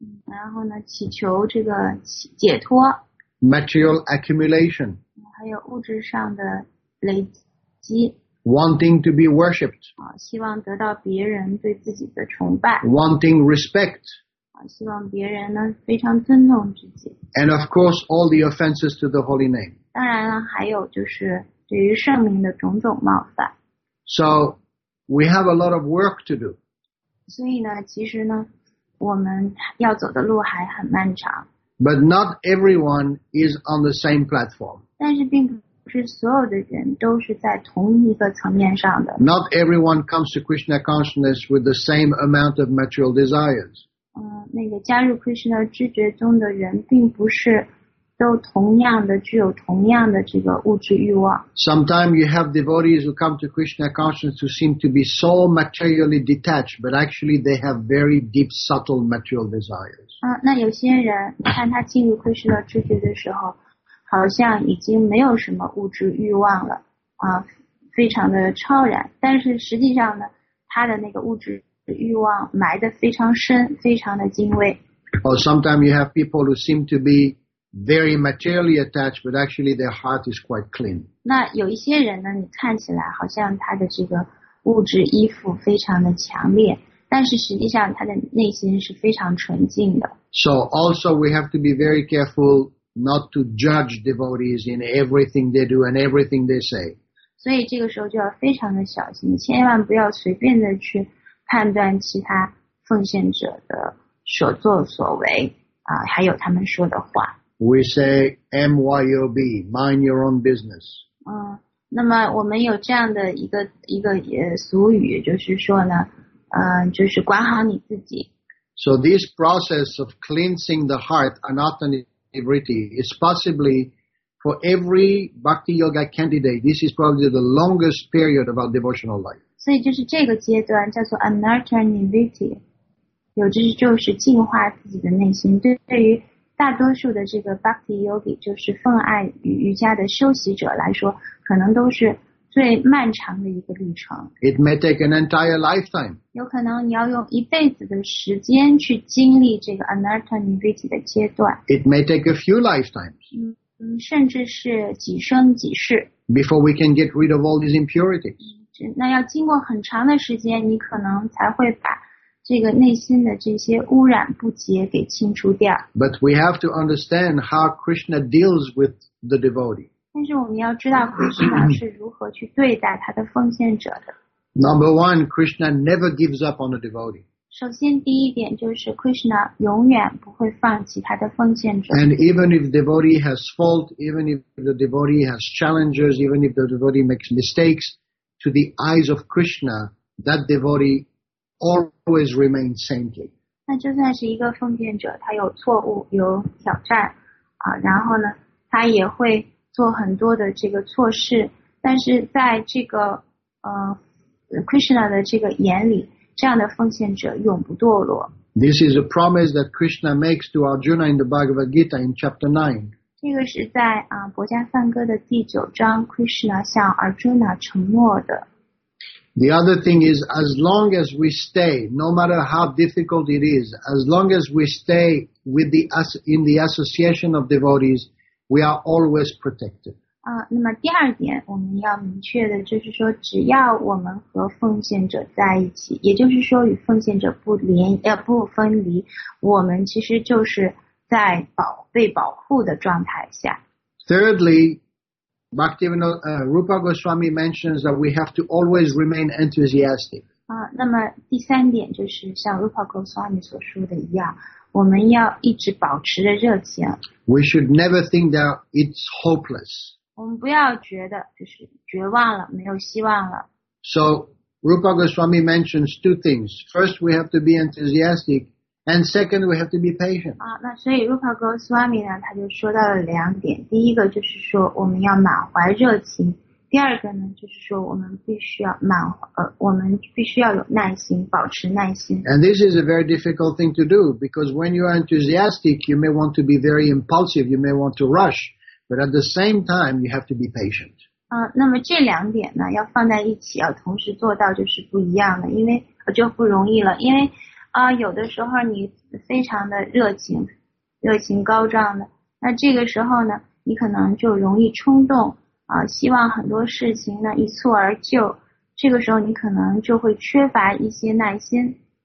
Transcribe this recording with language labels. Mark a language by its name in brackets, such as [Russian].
[Chinese] 然后呢，祈求这个解脱。 [English] Material accumulation. [Chinese] 还有物质上的累积。 [English] Wanting to be worshipped. [Chinese] 希望得到别人对自己的崇拜。 [English] Wanting respect. [Chinese] 希望别人呢非常尊重自己。 [English] And of course, all the offenses to the holy name. [Chinese] 当然了，还有就是对于圣名的种种冒犯。 [English] So we have a lot of work to do. [Chinese] 所以呢，其实呢，我们要走的路还很漫长。 [English] But not everyone is on the same platform. [Chinese] 但是并不是所有的人都是在同一个层面上的。 [English] Not everyone comes to Krishna consciousness with the same amount of material desires. [Chinese] 那个加入 Krishna 知觉中的人并不是都同样的具有同样的这个物质欲望。 [English] Sometimes you have devotees who come to Krishna consciousness who seem to be so materially detached, but actually they have very deep, subtle material desires. [Chinese] 那有些人看他进入 Krishna 知觉的时候，好像已经没有什么物质欲望了，非常的超然。但是实际上呢，他的那个物质欲望埋得非常深，非常的精微。 [English] Or sometimes you have people who seem to be very materially attached, but actually their heart is quite clean. [Chinese] 那有一些人呢，你看起来好像他的这个物质依附非常的强烈，但是实际上他的内心是非常纯净的。 [English] So also we have to be very careful not to judge devotees in everything they do and everything they say. [Chinese] 所以这个时候就要非常的小心，千万不要随便的去判断其他奉献者的所作所为，还有他们说的话。 [English] We say MYOB, mind your own business. [Chinese] 那么我们有这样的一个俗语，就是说呢，就是管好你自己。 [English] So this process of cleansing the heart, anatta nivritti, is possibly for every bhakti yoga candidate. This is probably the longest period of our devotional life. [Chinese] 所以就是这个阶段叫做 anatta nivritti， 有就是净化自己的内心。对于大多数的这个 Bhakti Yogi， 就是奉爱与瑜伽的修习者来说，可能都是最漫长的一个历程。 [English] It may take an entire lifetime. [Chinese] 有可能你要用一辈子的时间去经历这个 Anatta Nivritti 的阶段。 [English] It may take a few lifetimes. [Chinese] 甚至是几生几世。 [English] Before we can get rid of all these impurities. [Chinese] 那要经过很长的时间，你可能才会把这个内心的这些污染不洁给清除掉。 [English] But we have to understand how Krishna deals with the devotee. [Chinese] 但是我们要知道 Krishna 是如何去对待他的奉献者的。 [English] Number one, Krishna never gives up on a devotee. [Chinese] 首先第一点就是 Krishna 永远不会放弃他的奉献者。 [English] And even if the devotee has fault, even if the devotee has challenges, even if the devotee makes mistakes, to the eyes of Krishna, that devotee always remain saintly. [Chinese] 那就算是一个奉献者，他有错误，有挑战，然后呢，他也会做很多的这个错事。但是在这个Krishna 的这个眼里，这样的奉献者永不堕落。 [English] This is a promise that Krishna makes to Arjuna in the Bhagavad Gita in chapter 9. [Chinese] 这个是在博迦梵歌的第九章 ，Krishna 向 Arjuna 承诺的。 [English] The other thing is, as long as we stay, no matter how difficult it is, as long as we stay in the association of devotees, we are always protected. [Chinese] 那么第二点我们要明确的就是说，只要我们和奉献者在一起，也就是说与奉献者不分离，我们其实就是在被保护的状态下。 [English] Thirdly,Rupa Goswami mentions that we have to always remain enthusiastic. [Chinese] 那么第三点就是像 Rupa Goswami 所说的一样，我们要一直保持着热情。 [English] We should never think that it's hopeless. [Chinese] 我们不要觉得就是绝望了，没有希望了。 [English] So Rupa Goswami mentions two things. First, we have to be enthusiastic, and second, we have to be patient. [Chinese] 那所以 Rupa Goswami 呢，他就说到了两点。第一个就是说我们要满怀热情。第二个呢，就是说我们必须要有耐心，保持耐心。 [English] And this is a very difficult thing to do, because when you are enthusiastic, you may want to be very impulsive, you may want to rush, but at the same time, you have to be patient. [Chinese] 那么这两点呢，要放在一起，要同时做到，就是不一样的，因为就不容易了，因为有的时候你非常的热情高涨的，那这个时候呢，你可能就容易冲动，希望很多事情呢一蹴而就，这个时候你可能就会缺乏一些耐心。